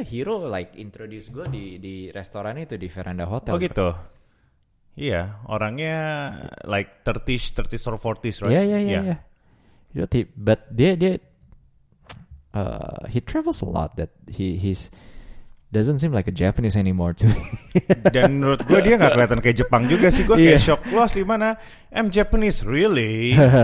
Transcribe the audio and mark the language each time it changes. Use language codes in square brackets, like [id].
[id] Iya, yeah, Hiro like introduce gue di restoran itu, di Veranda Hotel. Oh gitu. Iya, yeah. Orangnya [en] like 30s or 40s, right? [id] Iya. Yeah. [en] But dia he travels a lot that he's doesn't seem like a Japanese anymore too. [id] Dan menurut gue dia gak kelihatan kayak Jepang juga sih. Gue kayak shock loss, dimana [en] I'm Japanese, really?